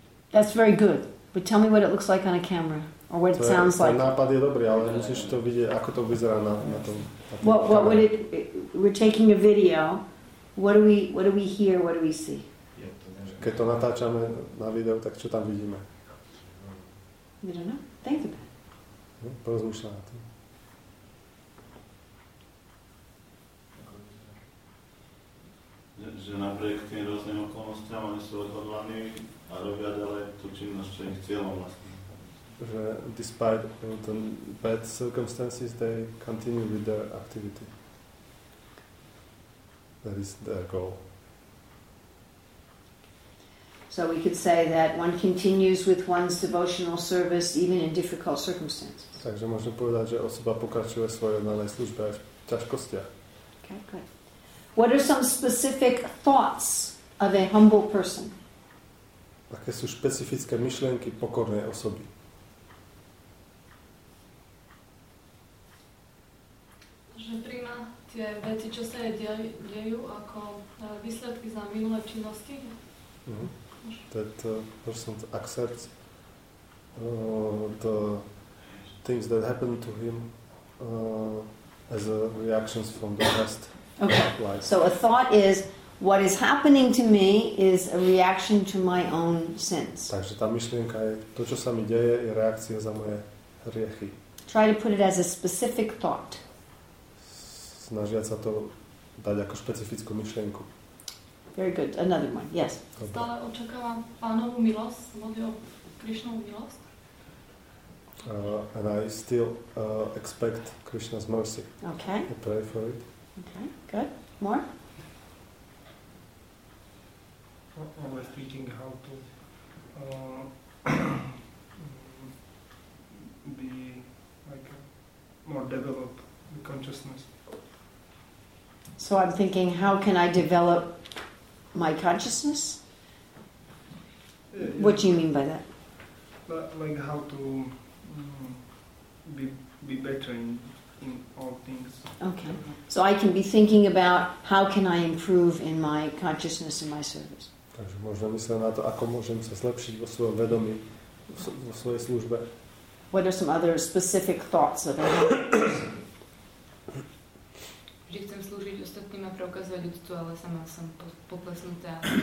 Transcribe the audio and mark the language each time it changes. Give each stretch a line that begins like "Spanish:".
English: That's very good. But tell me what it looks like on a camera or what it sounds like.
Slovak: Ten nápad je dobrý, ale musíš to vidieť, ako to vyzerá na tom.
English: What would it, we're taking a video. What do we hear? What do we see?
Slovak: Keď to natáčame na video, tak čo tam vidíme?
English: I don't know. Think about
Slovak: it. Porozmýšľaj na to. Že napriek tým rôznym okolnostiam oni sú odhodlaní a robia ďalej tú činnosť, čo je ich cieľom vlastne.
English: Že despite the bad circumstances, they continue with their activity. That is their goal. So we could say that one continues with one's devotional service even in difficult circumstances.
Slovak: Takže môžeme povedať, že osoba pokračuje svoje nadalej službe aj v ťažkostiach.
English: Okay, good. What are some specific thoughts of a humble person?
Slovak: Aké sú špecifické myšlienky pokornej osoby? Že prijíma tie veci, čo sa jej dejú, ako výsledky za minulé činnosti.
English: That person accepts the things that happened to him as a reactions from the past. Okay. So a thought is what is happening to me is a reaction to my own sins.
Slovak: Takže tá myšlienka je to, čo sa mi deje, je reakcia za moje hriechy.
English: Try to put it as a specific thought.
Slovak: Snažiať sa to dať ako špecifickú myšlienku.
English: Very good. Another one. Yes.
Slovak: Stále očakávam Pánovu milosť, Krišnovu milosť.
English: And I still expect Krishna's mercy. Okay. I pray for it. Okay, good. More? I was thinking how to be like more develop the consciousness. So I'm thinking, how can I develop my consciousness? Yeah. What do you mean by that? But like how to be better in all things. Okay. So I can be thinking about how can I improve in my consciousness and my service.
Slovak: Takže možno myslím na to, ako môžem sa zlepšiť vo svojom vedomí, vo svojej službe.
English: What are some other specific thoughts of
Slovak: that? Že chcem slúžiť ostatným a preukazovať ľudstvo, ale sama som poplesnutá.